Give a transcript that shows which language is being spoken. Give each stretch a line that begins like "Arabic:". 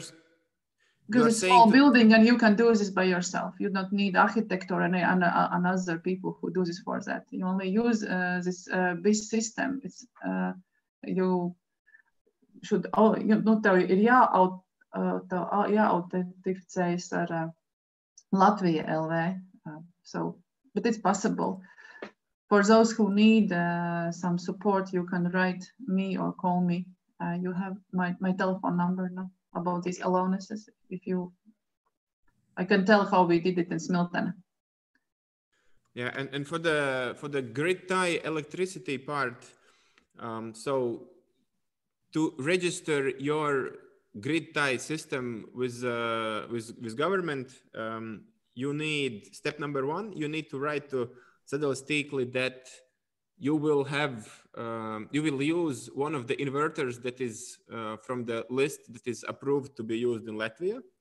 English: saying a small building, and you can do this by yourself. You don't need architect or any another people who do this for that. You only use this BIS system. It's you should all you not tell you yeah out.
Latvian: Jāautentificējas ar Latvija LV.
English: So, but it's possible. For those who need some support, you can write me or call me. You have my telephone number, no? About these allowances. If you, I can tell how we did it in Smilton. Yeah, and for the grid tie electricity part, so to register your grid tie system with government, you need step number one, you need to write to sadales tīkli that you will have you will use one of the inverters that is from the list that is approved to be used in Latvia.